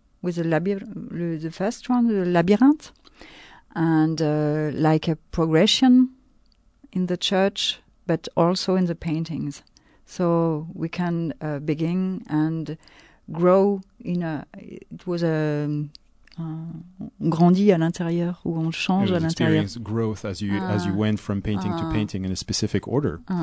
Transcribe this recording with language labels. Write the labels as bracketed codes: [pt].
[en] With the first one, the labyrinth, and like a progression in the church, but also in the paintings. So we can begin and grow in a. It was a. [fr] On grandit à l'intérieur, ou on change à l'intérieur. [en] You experience growth as you went from painting to painting in a specific order.